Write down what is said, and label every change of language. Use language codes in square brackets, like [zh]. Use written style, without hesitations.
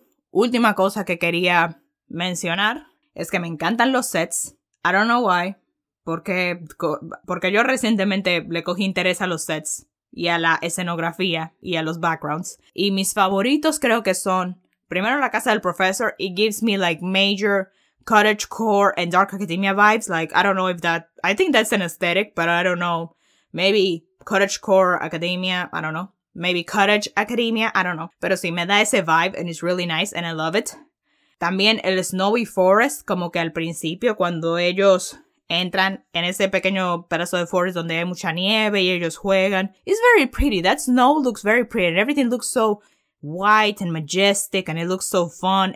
[es] Última cosa que quería mencionar es que me encantan los sets. [en] I don't know why. [es] Porque yo recientemente le cogí interés a los sets y a la escenografía y a los backgrounds. Y mis favoritos creo que son, primero, la casa del profesor. [en] It gives me like major cottagecore and dark academia vibes. Like, I don't know if that, I think that's an aesthetic, but I don't know. Maybe cottagecore academia, I don't know. Maybe cottage academia, I don't know. [es] Pero sí, me da ese vibe [en] and it's really nice and I love it. [es] También el Snowy Forest, como que al principio cuando ellos entran en ese pequeño pedazo de forest donde hay mucha nieve y ellos juegan. [en] It's very pretty. That snow looks very pretty. And everything looks so white and majestic and it looks so fun.